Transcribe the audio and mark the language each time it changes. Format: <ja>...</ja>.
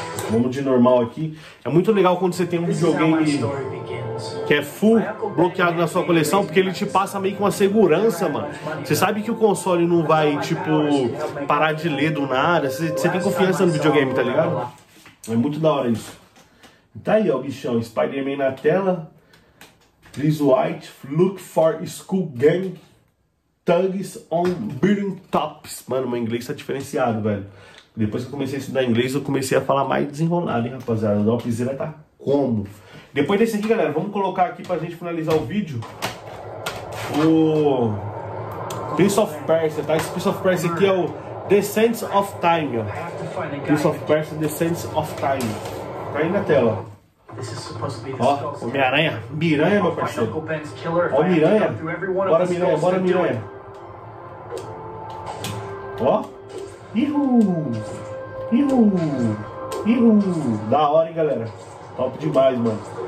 <pt>Vamos de normal aqui. É muito legal quando você tem um videogame que é full bloqueado na sua coleção, porque ele te passa meio com uma segurança, mano. Você sabe que o console não vai, tipo, parar de ler do nada. Você tem confiança no videogame, tá ligado? É muito da hora isso. Tá aí, ó, bichão. Spider-Man na tela.</pt> <en>Chris White, look for school gang. Thugs on building tops.</en> <pt>Mano, meu inglês tá diferenciado, velho. Depois que eu comecei a estudar inglês, eu comecei a falar mais desenrolado, hein, rapaziada. O Dropzera tá como? Depois desse aqui, galera, vamos colocar aqui pra gente finalizar o vídeo. O Prince of Persia, tá? Esse Prince of Persia aqui é o Descent of Time, ó. Prince of Persia, Descent of Time. Tá aí na tela, ó. Ó, Miranha. Miranha, meu parceiro. Ó, Miranha. Bora, Miranha, bora, Miranha. Ó. Ihu! Ihu! Ihu! Da hora, hein, galera. Top demais, mano.</pt>